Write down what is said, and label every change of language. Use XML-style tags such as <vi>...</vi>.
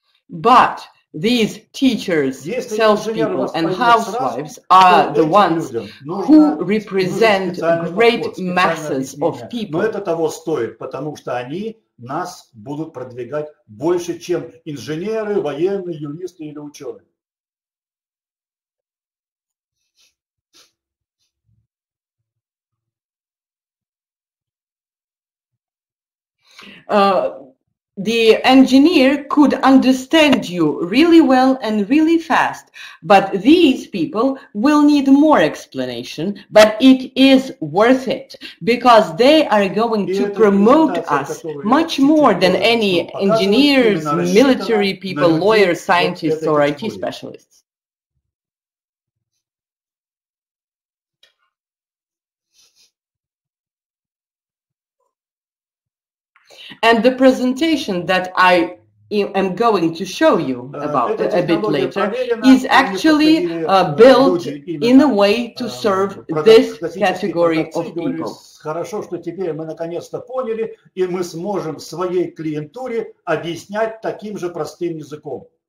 <en>But these teachers, salespeople, and housewives are the ones who represent great masses of people.</en> <ru>Но это того стоит, потому что они нас будут продвигать больше, чем инженеры, военные, юристы или ученые.</ru> <en>The engineer could understand you really well and really fast, but these people will need more explanation, but it is worth it because they are going to promote us much more than any engineers, military people, lawyers, scientists, or IT specialists. And the presentation that I am going to show you about a bit later is actually built in a way to serve this category of people.</en> <ru>Хорошо, что теперь мы наконец-то поняли, и мы сможем своей клиентуре объяснять таким же простым языком.</ru>